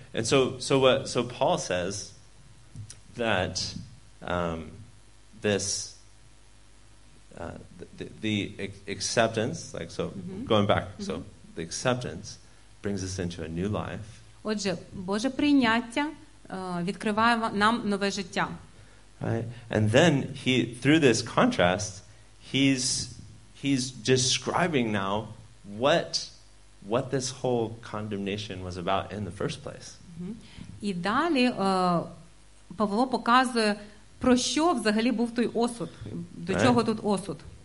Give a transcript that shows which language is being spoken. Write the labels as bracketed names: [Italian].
[English] And so Paul says that the acceptance, like, so going back, so the acceptance brings us into a new life. [Ukrainian] Отже, Боже прийняття відкриває нам нове життя. [English] Right? And then he, through this contrast, he's describing now what this whole condemnation was about in the first place. [Ukrainian] І далі Павло показує, про що взагалі був той осуд, до чого тут осуд.